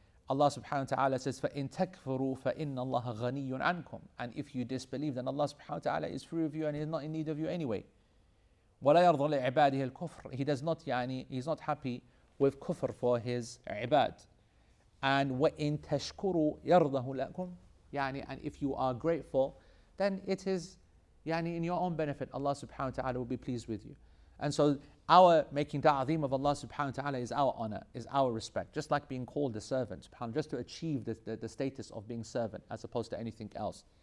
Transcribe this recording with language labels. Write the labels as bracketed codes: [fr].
[en] Allah subhanahu wa ta'ala says, [ar] فَإِن تَكْفُرُوا فَإِنَّ اللَّهَ غَنِيٌّ عَنْكُمْ. [en] And if you disbelieve, then Allah subhanahu wa ta'ala is free of you and He's not in need of you anyway. [ar] وَلَا يَرْضَ لِعِبَادِهِ الْكُفْرِ. [en] He does not, يعني, He's not happy with kufr for His ibad. And [ar] وَإِن تَشْكُرُوا يَرْضَهُ لَكُمْ. [en] يعني, and if you are grateful, then it is يعني, in your own benefit. Allah subhanahu wa ta'ala will be pleased with you. And so our making ta'zeem of Allah subhanahu wa ta'ala is our honor, is our respect. Just like being called a servant, just to achieve the status of being servant as opposed to anything else.